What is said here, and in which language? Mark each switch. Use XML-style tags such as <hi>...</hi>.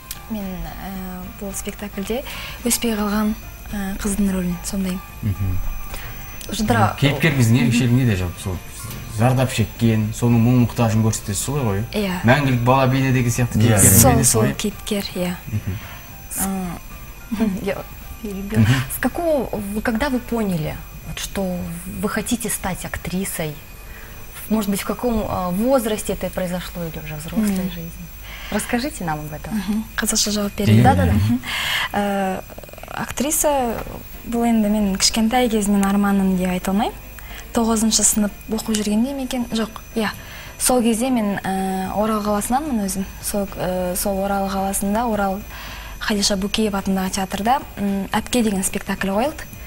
<kk>Мен бұл спектакльде өспей қалған қыздың рөлін сомдаймын. Жадыра, кейіпкеріңіз не ерекшелігіне де жалпы сол зардап шеккен, соның мұң мұқтажын көрсетесіз, солай ғой? Иә. Мәңгілік бала бейне деген сияқты кейіпкер. Сол кейіпкер, иә.</kk> <ru>С какого, когда вы поняли, что вы хотите стать актрисой? Может быть, в каком возрасте это произошло или уже в взрослой жизни? Расскажите нам об этом.</ru> <kk>Қазақша жауап берейін.</kk> <ru>Да-да-да.</ru> <kk>Актриса бұл енді мен кішкентай кезімнен арманым деп айта алмаймын. 9-шы сынып оқып жүргенде ме екен? Жоқ, иә. Сол кезде мен Орал қаласынанмын өзім. Сол Орал қаласында, Орал Хадиша Букеев атындағы театрда «Әпке» деген спектакль қойылды.</kk>